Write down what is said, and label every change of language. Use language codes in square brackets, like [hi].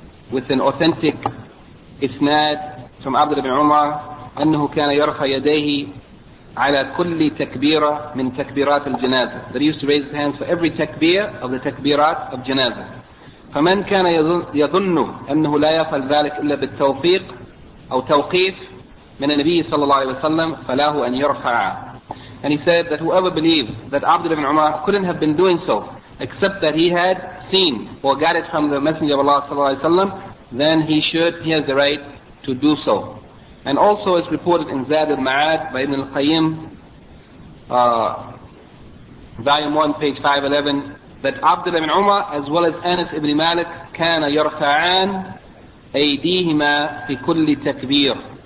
[en] with an authentic isnad from Abdullah ibn Umar [ar] أَنَّهُ كَانَ يَرْخَ يَدَيْهِ على كل تكبيرة من تكبيرات الجنازة, [en] that he used to raise his hands for every takbir of the takbirat of janaza. [ar] فمن كان يظن أنه لا يفعل ذلك إلا بالتوفيق أو توقيف من النبي صلى الله عليه وسلم فلاه أن يرفع. [en] And he said that whoever believed that Abdullah ibn Umar couldn't have been doing so except that he had seen or got it from the Messenger of Allah صلى الله عليه وسلم, then he has the right to do so. And also it's reported in Zad al-Ma'ad by Ibn al-Qayyim, volume 1, page 511, that Abdullah ibn Umar as well as Anas ibn Malik [ar] kana yarfa'an aydihima fi kulli takbir.